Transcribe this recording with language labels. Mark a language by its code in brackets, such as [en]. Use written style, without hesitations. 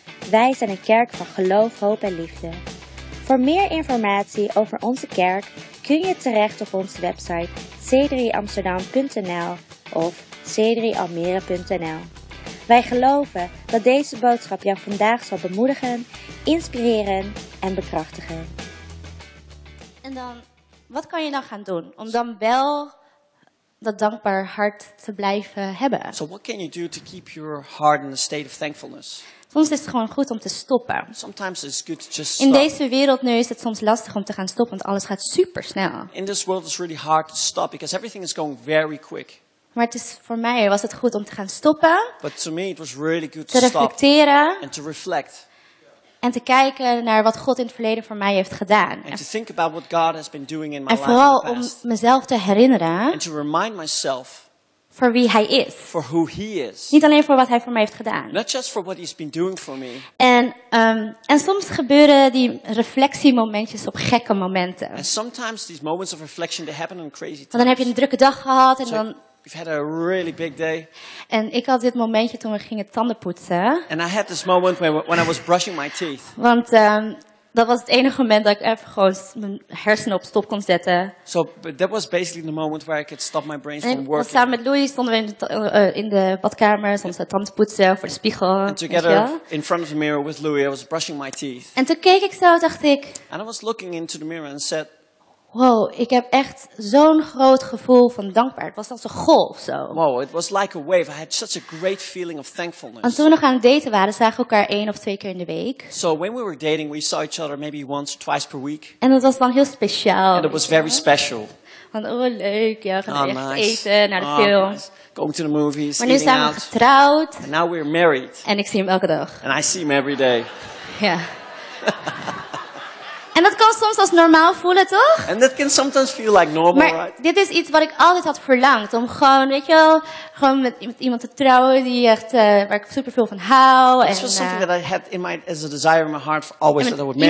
[nl] Wij zijn een kerk van geloof, hoop en liefde. Voor meer informatie over onze kerk kun je terecht op onze website c3amsterdam.nl of c3almere.nl. Wij geloven dat deze boodschap jou vandaag zal bemoedigen, inspireren en bekrachtigen. En dan, wat kan je dan gaan doen om dan wel dat dankbaar hart te blijven hebben? [en] So what can you do to keep your heart in a state of thankfulness? [nl] Soms is het gewoon goed om te stoppen. [en] Sometimes it's good to just stop. [nl] In deze wereld nu is het soms lastig om te gaan stoppen, want alles gaat super snel. [en] In this world it's really hard to stop because everything is going very quick. [nl] Maar het is voor mij was het goed om te gaan stoppen. [en] But to me it was really good to [nl] reflecteren. [en] Stop and to reflect. [nl] En te kijken naar wat God in het verleden voor mij heeft gedaan. [en] And to think about what God has been doing in my life. [nl] En vooral om mezelf te herinneren. [en] And to remind myself. [nl] Voor wie hij is. [en] For who he is. [nl] Niet alleen voor wat hij voor mij heeft gedaan. [en] Not just for what he's been doing for me. [nl] En soms gebeuren die reflectiemomentjes op gekke momenten. [en] And sometimes these moments of reflection they happen on crazy times. [nl] Want dan heb je een drukke dag gehad en [en] so, [nl] dan. [en] You've had a really big day. [nl] En ik had dit momentje toen we gingen tanden poetsen. [en] And I had this moment when I was brushing my teeth. [nl] Want dat was het enige moment dat ik even gewoon mijn hersenen op stop kon zetten. [en] So that was basically the moment where I could stop my brain from working. [nl] En samen met Louis stonden we in de badkamer, soms te tanden poetsen voor de spiegel. [en] And together in front of the mirror with Louis, I was brushing my teeth. [nl] En toen keek ik zo, dacht ik. [en] And I was looking into the mirror and said. [nl] Wow, ik heb echt zo'n groot gevoel van dankbaarheid. Het was als een golf zo. [en] Wow, it was like a wave. I had such a great feeling of thankfulness. [nl] En toen we nog aan het daten waren, zagen we elkaar 1 of 2 keer in de week. [en] So when we were dating, we saw each other maybe once or twice per week. [nl] En dat was dan heel speciaal. [en] And it was very special. [nl] Van, oh leuk, ja, gaan we echt eten naar de film. Nice. [en] Going to the movies, [nl] maar nu zijn we [en] out. [nl] Getrouwd. [en] And now we're married. [nl] En ik zie hem elke dag. [en] And I see him every day. Ja. Yeah. [nl] En dat kan soms als normaal voelen, toch? [en] And that can sometimes feel like normal, [nl] maar [en] right? [nl] Maar dit is iets wat ik altijd had verlangd. Om gewoon, weet je wel, gewoon met iemand te trouwen die echt, waar ik super veel van hou. [en] This was something that I had in my, as a desire in my heart, for always that I would marry